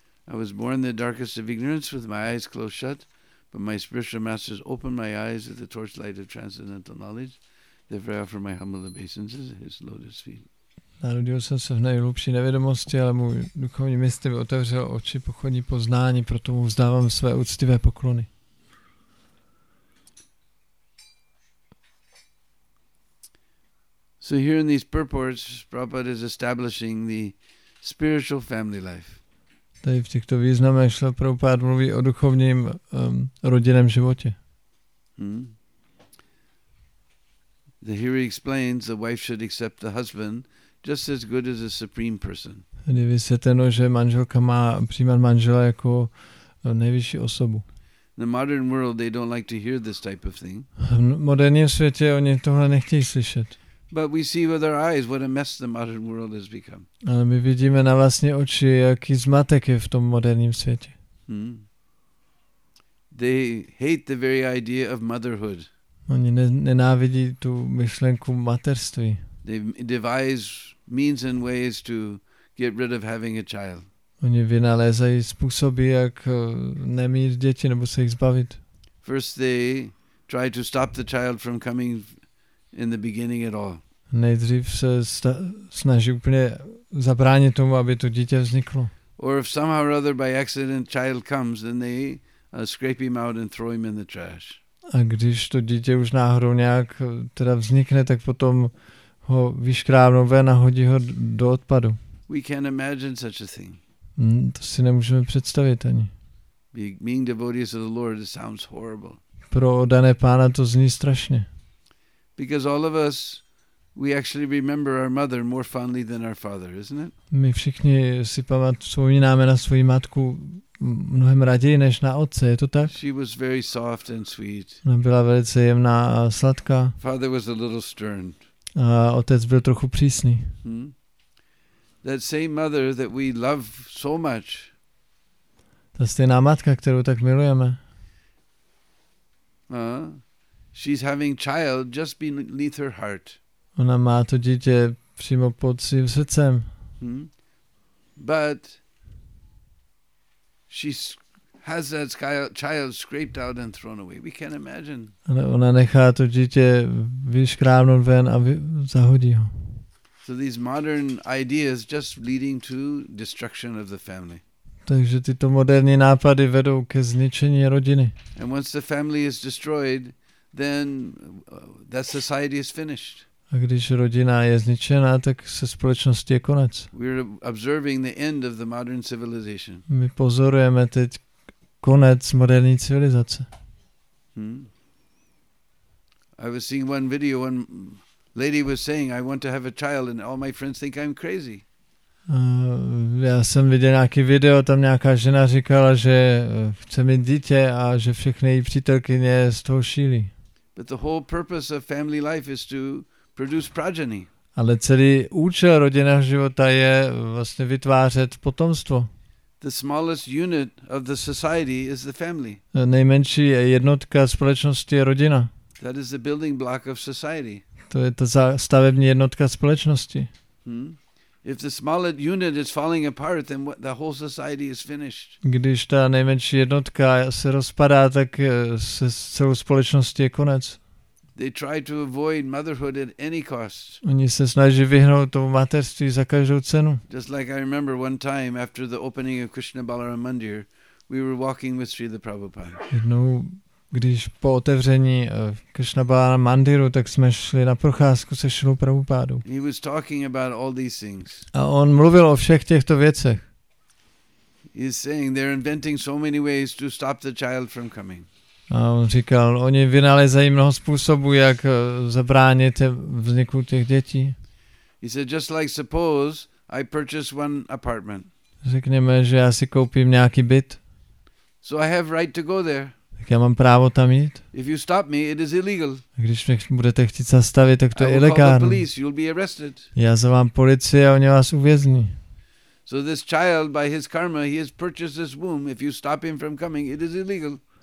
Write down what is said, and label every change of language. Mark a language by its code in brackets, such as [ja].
[en] I was born in the darkest of ignorance with my eyes closed shut, but my spiritual masters opened my eyes with the torchlight of transcendental knowledge. Therefore, I offer my humble obeisances at his lotus feet. [cs] Narodil jsem se v nejhlubší nevědomosti, ale můj duchovní mistr mi otevřel oči pochodní poznání, proto mu vzdávám své úctivé poklony. [en] So here in these purports, Prabhupada is establishing the spiritual family life. [cs] Tady v těchto významech šlo Prabhupada mluví o duchovním rodinném životě. [en] The here he explains the wife should accept the husband just as good as a supreme person. [cs] Tady vysvětleno, že manželka má přijímat manžela jako nejvyšší osobu. [en] In the modern world, they don't like to hear this type of thing. [cs] V moderním světě oni tohle nechtějí slyšet. [en] But we see with our eyes what a mess the modern world has become. [cs] Ale my vidíme na vlastní oči, jaký zmatek je v tom moderním světě. [en] They hate the very idea of motherhood. [cs] Oni nenávidí tu myšlenku mateřství. [en] They devise means and ways to get rid of having a child. [cs] Oni vynalézají způsoby, jak nemít děti nebo se jich zbavit. [en] First they try to stop the child from coming in the beginning at all. [cs] Nejdřív se snaží úplně zabránit tomu, aby to dítě vzniklo. [en] Or if somehow or other by accident child comes, then they scrape him out and throw him in the trash. [cs] A když to dítě už náhodou nějak teda vznikne, tak potom ho vyškrábnou ven a hodí ho do odpadu. [en] We can't imagine such a thing. [cs] To si nemůžeme představit ani. [en] Being devotees of the Lord, it sounds horrible. [cs] Pro oddané pána to zní strašně. [en] Because all of us, we actually remember our mother more fondly than our father, isn't it? [cs] My všichni si vzpomínáme na svou matku mnohem raději než na otce, je to tak? [en] She was very soft and sweet. [cs] Ona byla velice jemná a sladká. [en] Father was a little stern. [cs] A otec byl trochu přísný. [en] That same mother that we love so much. [cs] Ta stejná matka, kterou tak milujeme. [en] She's having child just beneath her heart. [cs] Ona má to dítě přímo pod svým srdcem. [en] But she has that child scraped out and thrown away. We can't imagine. [cs] Ale ona nechá to dítě vyškrábnout ven a zahodí ho. [en] So these modern ideas just leading to destruction of the family. [cs] Takže tyto moderní nápady vedou ke zničení rodiny. [en] And once the family is destroyed, then that society is finished. [cs] A když rodina je zničená, tak se společnosti je konec. [en] We're observing the end of the modern civilization. [cs] My pozorujeme teď konec moderní civilizace. [en] I was seeing one video, one lady was saying, I want to have a child and all my friends think I'm crazy. [cs] Já jsem viděl nějaký video, tam nějaká žena říkala, že chce mít dítě a že všechny její přítelkyně z toho šílí. [en] But the whole purpose of family life is to produce progeny. [cs] Ale celý účel rodinného života je vlastně vytvářet potomstvo. [en] The smallest unit of the society is the family. [cs] Nejmenší jednotka společnosti je rodina. [en] That is the building block of society. [cs] To je ta stavební jednotka společnosti. [en] If the smallest unit is falling apart, then the whole society is finished. [cs] Když ta nejmenší jednotka se rozpadá, tak se celou společností je konec. [en] They try to avoid motherhood at any cost. [cs] Oni se snaží vyhnout tomu mateřství za každou cenu. [en] Just like I remember one time after the opening of Krishna Balaram Mandir, we were walking with Sri the Prabhupada. [cs] Jednou, když po otevření Krishna Balaram Mandiru, tak jsme šli na procházku se Srila Prabhupádu. [en] He was talking about all these things. [cs] A on mluvil o všech těchto věcech. [en] He is saying they're inventing so many ways to stop the child from coming. [cs] A on říkal, oni vynalezají mnoho způsobů, jak zabránit vzniku těch dětí. [en] He said, just like suppose I purchase one apartment. [cs] Řekněme, že já si koupím nějaký byt. [en] So I have right to go there. [cs] Tak já mám právo tam jít. [en] If you stop me, it is illegal. [cs] Když mě budete chtít zastavit, tak to je ilegální. Já zavám policii a oni vás uvězní. [en] So this child, by his karma, he has purchased this womb. If you stop him from coming, it is illegal.